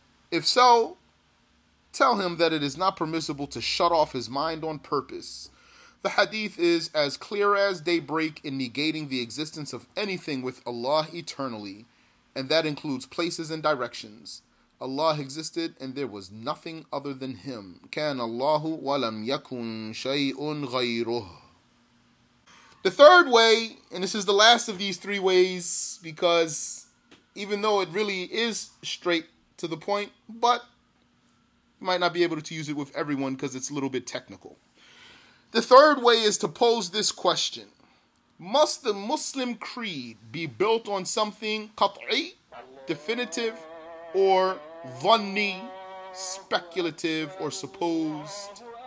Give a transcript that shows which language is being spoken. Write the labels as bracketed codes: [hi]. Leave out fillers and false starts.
[en] If so, tell him that it is not permissible to shut off his mind on purpose. The hadith is as clear as daybreak in negating the existence of anything with Allah eternally, and that includes places and directions. Allah existed and there was nothing other than Him. [ar] كان الله ولم يكن شيء غيره. [en] The third way, and this is the last of these three ways, because even though it really is straight to the point, but you might not be able to use it with everyone because it's a little bit technical. The third way is to pose this question. Must the Muslim creed be built on something qat'i, definitive, or dhanni, speculative, or supposed?